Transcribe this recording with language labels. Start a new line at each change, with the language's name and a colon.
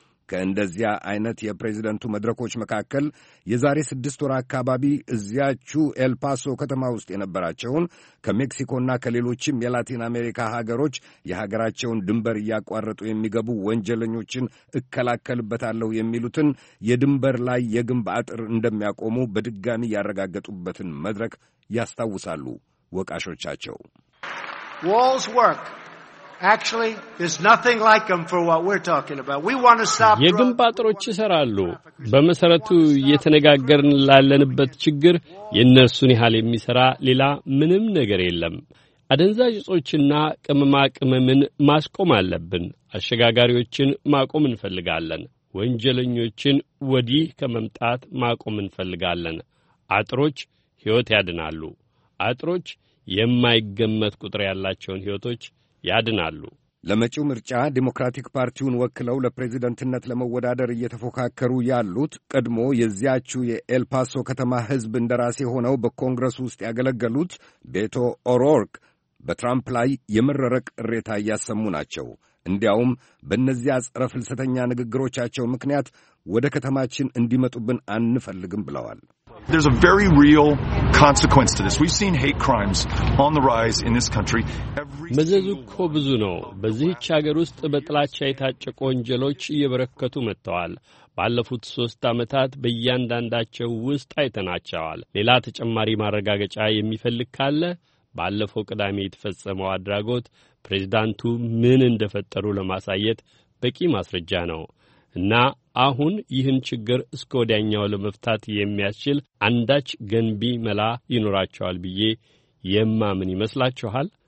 Amharic: ከእንደዚያ አይነት የፕሬዚደንቱ መድረኮች መካከል የዛሬ 6 ወር አካባቢ እዚያቹ ኤልፓሶ ከተማ ውስጥ የነበራቸውን ከሜክሲኮና ከሌሎችም የላቲን አሜሪካ ሀገሮች የሀገራቸውን ድንበር እያቋረጡ የሚገቡ ወንጀለኞችን እከላከልበታለሁ የሚሉትን የድንበር ላይ የግንብ አጥር እንደሚያቆሙ በድጋሚ ያረጋገጡበትን መድረክ ያስታውሳሉ ወቃሾቻቸው።
English: Walls work. Actually, there's nothing like them for what we're talking about. We want to stop.
Amharic: የግንባጥሮች ይሰራሉ። በመሰረቱ የተነጋገርን ላለንበት ችግር የነሱን ይhall የሚሰራ ሌላ ምንም ነገር የለም። አደንዛዥ እጾችና ቅመማ ቅመምን ማስቆም አለብን። አሸጋጋሪዎችን ማቆም እንፈልጋለን። ወንጀለኞችን ወዲህ ከመምጣት ማቆም እንፈልጋለን። አጥሮች ህይወት ያድናሉ። አጥሮች የማይገመት ቁጥር ያላቸውን ህይወቶች ያድናሉ። ለመጪው ምርጫ ዲሞክራቲክ ፓርቲውን ወክለው ለፕሬዝደንትነት ለመወዳደር እየተፎካከሩ ያሉት ቀድሞ የዚያቹ የኤልፓሶ ከተማ ህዝብ እንደራሴ ሆነው በኮንግረስ ውስጥ ያገለገሉት ቤቶ ኦሮርክ በትራምፕ ላይ የመረረ ቅሬታ ያሰሙ ናቸው። እንዲያውም በእነዚያ ጸረ ፍልሰተኛ ንግግሮቻቸው ምክንያት ወደ ከተማችን እንዲመጡብን አንፈልግም ብለዋል።
English: There's a very real consequence to this. We've seen hate crimes on the rise in this country.
Amharic: መዘዙ እኮ ብዙ ነው። በዚህች ሀገር ውስጥ በጥላቻ የታጨቁ ወንጀሎች እየበረከቱ መጥተዋል። ባለፉት 3 ዓመታት በእያንዳንዳቸው ውስጥ አይተናቸዋል። ሌላ ተጨማሪ ማረጋገጫ የሚፈልግ ካለ ባለፈው ቅዳሜ የተፈጸመው አድራጎት ፕሬዝዳንቱ ምን እንደፈጠሩ ለማሳየት በቂ ማስረጃ ነው። እና አሁን ይህን ችግር እስኮዳኛው ለመፍታት የሚያስችል አንዳች ገንቢ መላ ይኖራቸዋል ብዬ የማምን ይመስላችኋል?